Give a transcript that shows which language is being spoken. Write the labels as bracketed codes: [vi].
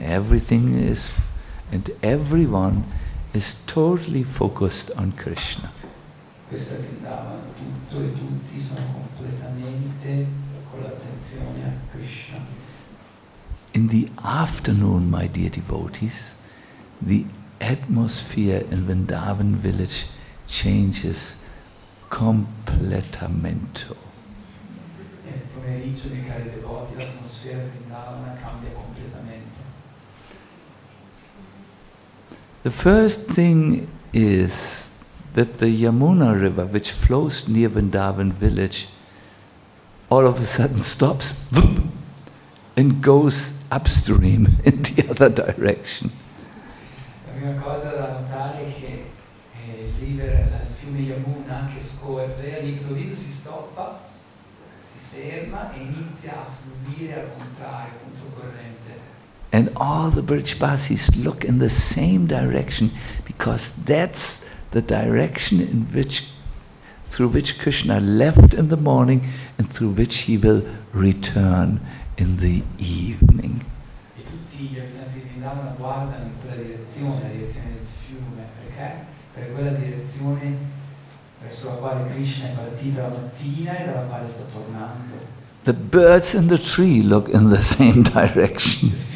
[en] Everything is and everyone is totally focused on Krishna. [it] Questo è Vrindavan, tutto e tutti sono completamente con l'attenzione a Krishna. [en] In the afternoon, my dear devotees, the atmosphere in Vrindavan village changes [it] completamente. Nel pomeriggio, miei cari devoti, l'atmosfera di Vrindavan cambia completamente. [en] The first thing is that the Yamuna River, which flows near Vrindavan village, all of a sudden stops and goes upstream in the other direction. [it] La prima cosa da notare è che il fiume Yamuna che scorre all'improvviso si stoppa, si ferma e inizia a fluire al contrario, controcorrente. [en] And all the Brijbasis look in the same direction because that's the direction in which, through which Krishna left in the morning and through which he will return in the evening. [it] E tutti gli abitanti di Vrindavan guardano in quella direzione, la direzione del fiume, perché? Per quella direzione verso la quale Krishna è partito la mattina e dalla quale sta tornando. [en] The birds in the tree look in the same direction.